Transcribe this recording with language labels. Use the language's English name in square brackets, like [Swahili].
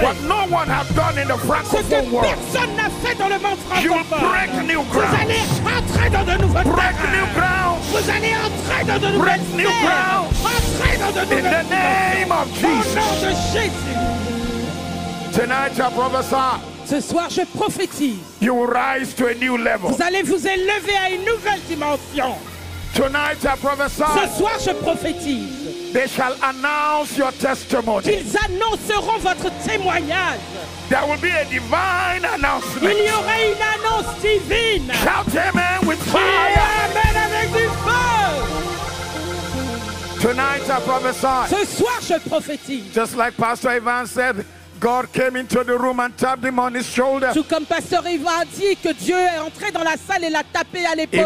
[English] What no one has done in the Francophone world. [French] Ce que personne n'a fait dans le monde francophone. [English] You will break new ground. [French] Vous allez entrer dans de nouveaux [English] Break [French] terres. [English] New ground. [French] Vous allez entrer dans de [English] break new ground. [French] Entrer dans de nouvelles terres. [English] In the name of Jesus. [French] Au nom de Jésus. [English] Tonight, I prophesy. [French] Ce soir, je prophétise. [English] You will rise to a new level. [French] Vous allez vous élever à une nouvelle dimension. [English] Tonight, I prophesy. [French] Ce soir, je prophétise. [English] They shall announce your testimony. [French] Ils annonceront votre témoignage. [English] There will be a divine announcement. [French] Il y aura une annonce divine. [English] Shout amen with fire. [French] Amen avec du feu. [English] Tonight, I prophesy. [French] Ce soir, je prophétise. [English] Just like Pastor Ivan said. God came into the room and tapped him on his shoulder. [French] Tout comme Pasteur Ivan a dit que Dieu est entré dans la salle et l'a tapé à l'épaule.